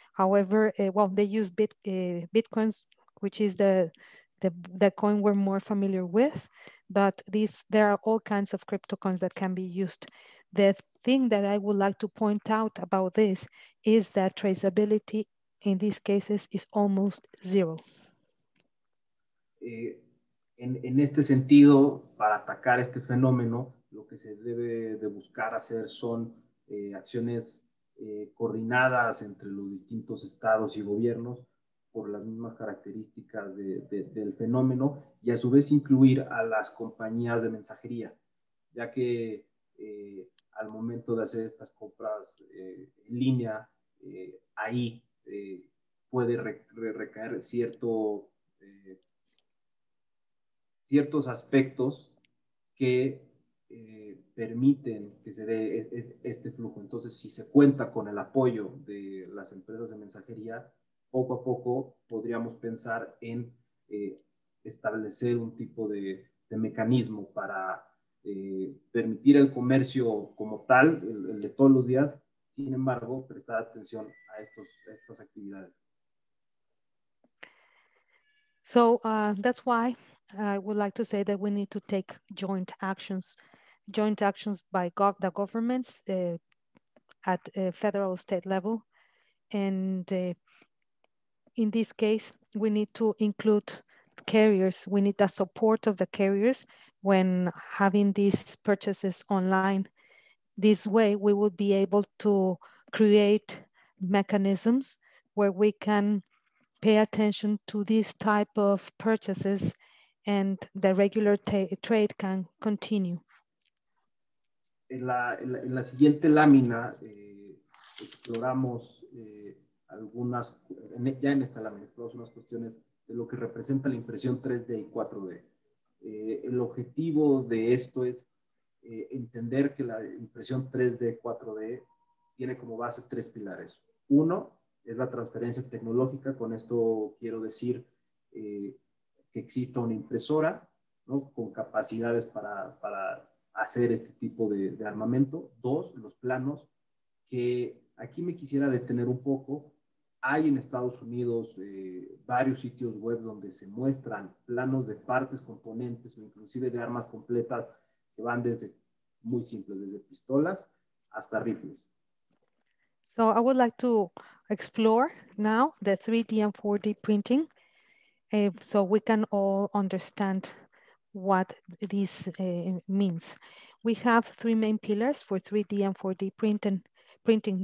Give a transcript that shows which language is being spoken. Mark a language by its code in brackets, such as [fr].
[en] However, they use bitcoins, which is the coin we're more familiar with. But there are all kinds of crypto coins that can be used. The thing that I would like to point out about this is that traceability in these cases is almost zero. [es] En este sentido, para atacar este fenómeno, lo que se debe de buscar hacer son acciones coordinadas entre los distintos estados y gobiernos por las mismas características del fenómeno, y a su vez incluir a las compañías de mensajería, ya que al momento de hacer estas compras en línea, ahí puede recaer ciertos aspectos que permiten que se dé este flujo. Entonces, si se cuenta con el apoyo de las empresas de mensajería, poco a poco podríamos pensar en establecer un tipo de mecanismo para permitir el comercio como tal, el de todos los días, sin embargo, prestar atención a estas actividades. [en] So, that's why I would like to say that we need to take joint actions by the governments at a federal state level. And in this case, we need to include carriers. We need the support of the carriers when having these purchases online. This way, we will be able to create mechanisms where we can pay attention to this type of purchases and the regular trade can continue. [es] En la siguiente lámina exploramos algunas, ya en esta lámina exploramos unas cuestiones de lo que representa la impresión 3D y 4D. El objetivo de esto es entender que la impresión 3D y 4D tiene como base tres pilares. Uno es la transferencia tecnológica. Con esto quiero decir que exista una impresora, ¿no?, con capacidades para hacer este tipo de armamento. Dos, los planos, que aquí me quisiera detener un poco. Hay en Estados Unidos varios sitios web donde se muestran planos de partes, componentes, o inclusive de armas completas, que van desde muy simples, desde pistolas hasta rifles. [en] So I would like to explore now the 3D and 4D printing so we can all understand what this means. We have three main pillars for 3D and 4D printing.